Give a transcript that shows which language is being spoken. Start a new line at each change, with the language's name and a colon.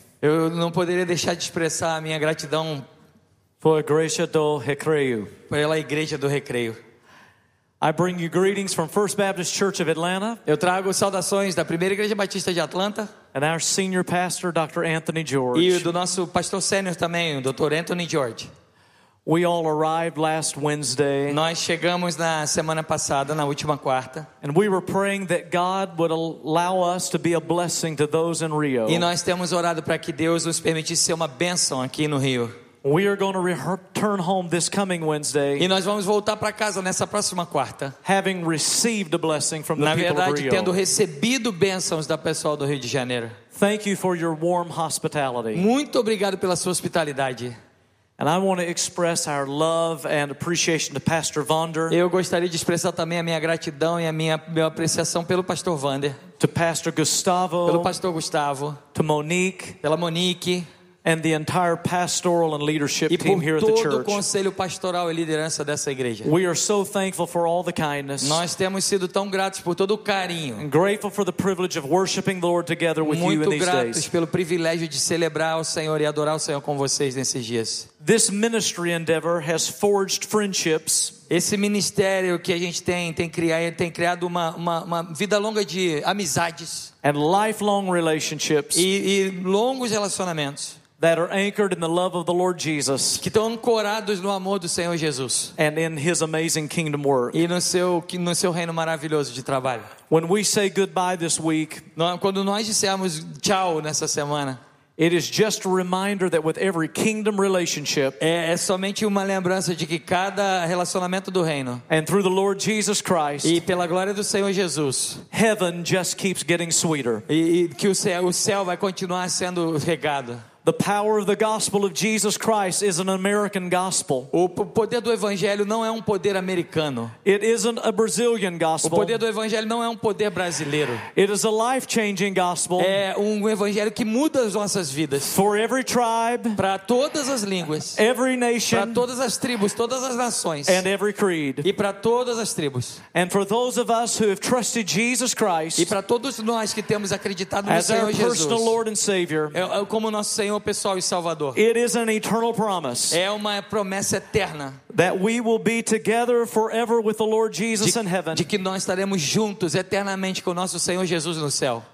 Portuguese: Eu não poderia deixar de expressar a minha gratidão pela Igreja do Recreio. Pela Igreja do Recreio.
English: I bring you greetings from First Baptist Church of Atlanta.
Portuguese: Eu trago saudações da Primeira Igreja Batista de Atlanta.
English: And our senior pastor, Dr. Anthony George.
Portuguese: E do nosso pastor sênior também, o Dr. Anthony George.
English: We all arrived last Wednesday.
Portuguese: Nós chegamos na semana passada, na última quarta.
English: And we were praying that God would allow us to be a blessing to those in Rio.
Portuguese: E nós temos orado para que Deus nos permitisse ser uma bênção aqui no Rio.
English: We are going to return home this coming Wednesday.
Portuguese: E nós vamos voltar para casa nessa próxima quarta.
English: Having received a blessing from the people of Rio.
Portuguese: Na verdade, tendo recebido bênçãos da pessoal do Rio de Janeiro.
English: Thank you for your warm hospitality.
Portuguese: Muito obrigado pela sua hospitalidade.
English: And I want to express our love and appreciation to Pastor Vander.
Portuguese: Eu gostaria de expressar também a minha gratidão e a minha apreciação pelo Pastor Vander.
English: To Pastor Gustavo.
Portuguese: Pelo Pastor Gustavo.
English: To Monique.
Portuguese: Pela Monique.
English: And the entire pastoral and leadership team here at the church.
Portuguese: E por todo o conselho pastoral e liderança dessa igreja.
English: We are so thankful for all the kindness.
Portuguese: Nós temos sido tão gratos por todo o carinho.
English: And grateful for the privilege of worshiping the Lord together with
Portuguese: Muito
English: you in these days.
Portuguese: Muito gratos pelo privilégio de celebrar o Senhor e adorar o Senhor com vocês nesses dias.
English: This ministry endeavor has forged friendships.
Portuguese: Esse ministério que a gente tem criado uma vida longa de amizades.
English: And lifelong relationships.
Portuguese: E longos relacionamentos.
English: That are anchored in the love of the Lord Jesus.
Portuguese: Que estão ancorados no amor do Senhor Jesus.
English: And in His amazing kingdom work.
Portuguese: E no seu reino maravilhoso de trabalho.
English: When we say goodbye this week.
Portuguese: Quando nós dissermos tchau nessa semana.
English: It is just a reminder that with every kingdom relationship,
Portuguese: é somente uma lembrança de que cada relacionamento do reino,
English: and through the Lord Jesus Christ,
Portuguese: e pela glória do Senhor Jesus,
English: heaven just keeps getting sweeter,
Portuguese: e que o céu vai continuar sendo regado.
English: The power of the gospel of Jesus Christ is an American gospel.
Portuguese: O poder do evangelho não é um poder americano.
English: It isn't a Brazilian gospel.
Portuguese: O poder do evangelho não é um poder brasileiro.
English: It is a life-changing gospel.
Portuguese: É um evangelho que muda as nossas vidas.
English: For every tribe,
Portuguese: para todas as línguas.
English: Every nation,
Portuguese: para todas as tribos, todas as nações.
English: And every creed,
Portuguese: e para todas as tribos.
English: And for those of us who have trusted Jesus Christ,
Portuguese: e para todos nós que temos acreditado no Senhor Jesus,
English: as our personal Lord and Savior,
Portuguese: como nosso Senhor pessoal e Salvador.
English: It is an eternal promise.
Portuguese: É uma promessa eterna.
English: That we will be together forever with the Lord Jesus in heaven.
Portuguese: De que nós estaremos juntos eternamente com nosso Senhor Jesus no céu.